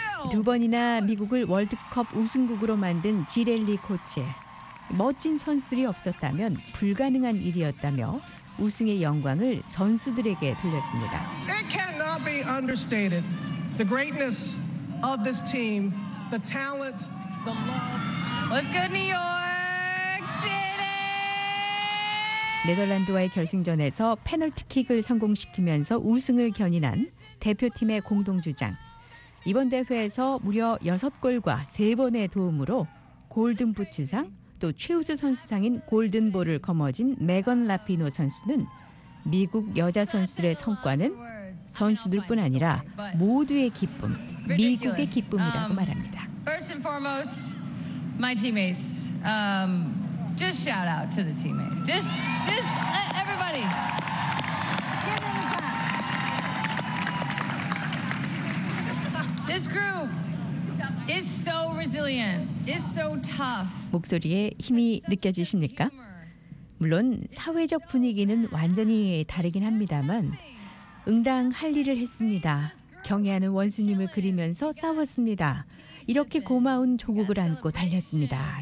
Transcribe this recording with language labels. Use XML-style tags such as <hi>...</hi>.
<ko>두 번이나 미국을 월드컵 우승국으로 만든 지렐리 코치. 멋진 선수들이 없었다면 불가능한 일이었다며 우승의 영광을 선수들에게 돌렸습니다.</ko> <en>It cannot be understated. The greatness of this team, the talent, the love. Let's go New York City.</en> <ko>네덜란드와의 결승전에서 페널티킥을 성공시키면서 우승을 견인한 대표팀의 공동주장. 이번 대회에서 무려 6골과 3번의 도움으로 골든부츠상, 또 최우수 선수상인 골든볼을 거머쥔 메건 라피노 선수는 미국 여자 선수들의 성과는 선수들뿐 아니라 모두의 기쁨, 미국의 기쁨이라고 말합니다.</ko> <en>First and foremost, my teammates. Just shout out to the teammates. Just everybody. Give them a clap. This group is so resilient. Is so tough.</en> <ko>목소리에 힘이 느껴지십니까? 물론 사회적 분위기는 완전히 다르긴 합니다만 응당할 일을 했습니다. 경애하는 원수님을 그리면서 싸웠습니다. 이렇게 고마운 조국을 안고 달렸습니다.</ko>